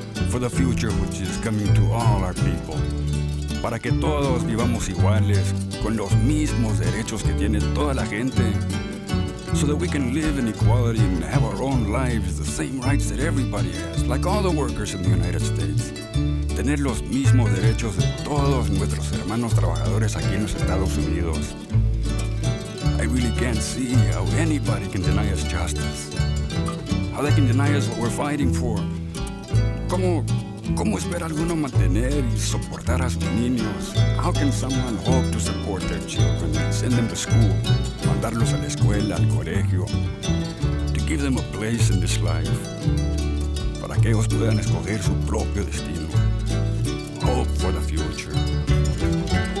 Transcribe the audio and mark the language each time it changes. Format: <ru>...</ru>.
<en>For the future which is coming to all our people.</en> <es>Para que todos vivamos iguales, con los mismos derechos que tiene toda la gente.</es> <en>So that we can live in equality and have our own lives, the same rights that everybody has, like all the workers in the United States.</en> <es>Tener los mismos derechos de todos nuestros hermanos trabajadores aquí en los Estados Unidos.</es> <en>I really can't see how anybody can deny us justice. How they can deny us what we're fighting for.</en> <es>¿Cómo espera alguno mantener y soportar a sus niños?</es> <en>How can someone hope to support their children and send them to school?</en> <es>Mandarlos a la escuela, al colegio.</es> <en>To give them a place in this life.</en> <es>Para que ellos puedan escoger su propio destino.</es> <en>Hope for the future.</en>